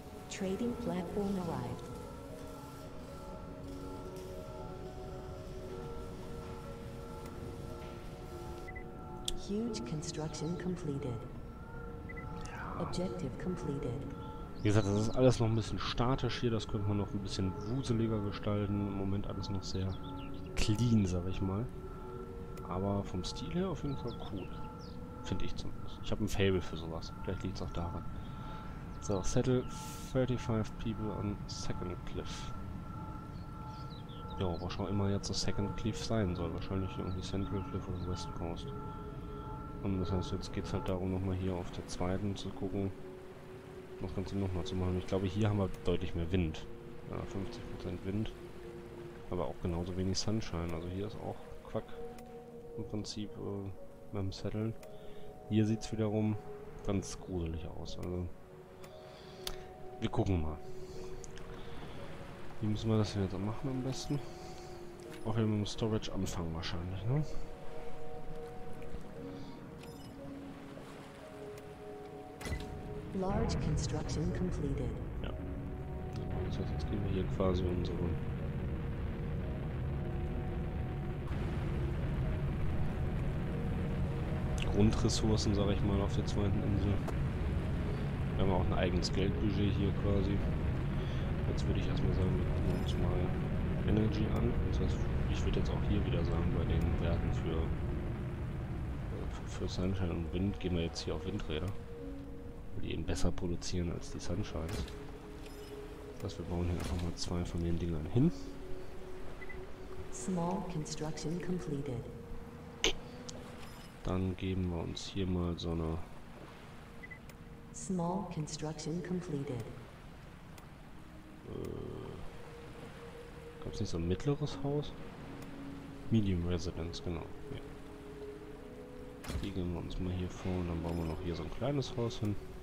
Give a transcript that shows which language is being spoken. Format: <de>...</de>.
<en>Trading platform arrived. Huge construction completed. Objective completed.</en> <de>Wie gesagt, das ist alles noch ein bisschen statisch hier, das könnte man noch ein bisschen wuseliger gestalten. Im Moment alles noch sehr clean, sag ich mal. Aber vom Stil her auf jeden Fall cool. Finde ich zumindest. Ich habe ein Faible für sowas. Vielleicht liegt es auch daran.</de> <en>So, settle 35 people on second cliff.</en> <de>Ja, was auch immer jetzt das second cliff sein soll. Wahrscheinlich irgendwie Central Cliff oder West Coast. Und das heißt, jetzt geht es halt darum, nochmal hier auf der zweiten zu gucken, das Ganze nochmal zu machen. Ich glaube, hier haben wir deutlich mehr Wind. Ja, 50% Wind. Aber auch genauso wenig Sunshine. Also hier ist auch Quack. Im Prinzip beim Setteln. Hier sieht es wiederum ganz gruselig aus. Also wir gucken mal. Wie müssen wir das denn jetzt machen am besten? Auch hier mit dem Storage anfangen wahrscheinlich, ne?</de> <en>Large construction completed.</en> <de>Ja. Das heißt, jetzt gehen wir hier quasi unsere Grundressourcen, sage ich mal, auf der zweiten Insel. Wir haben auch ein eigenes Geldbudget hier quasi. Jetzt würde ich erstmal sagen, wir gucken uns mal Energy an. Das heißt, ich würde jetzt auch hier wieder sagen, bei den Werten für Sunshine und Wind gehen wir jetzt hier auf Windräder. Die eben besser produzieren als die Sunshine. Das heißt, wir bauen hier einfach mal 2 von den Dingern hin.</de> <en>Small construction completed.</en> <de>Dann geben wir uns hier mal so eine</de> <en>Small construction completed.</en> <de>Gab es nicht so ein mittleres Haus? Medium Residence, genau. Ja. Die geben wir uns mal hier vor und dann bauen wir noch hier so ein kleines Haus hin.</de>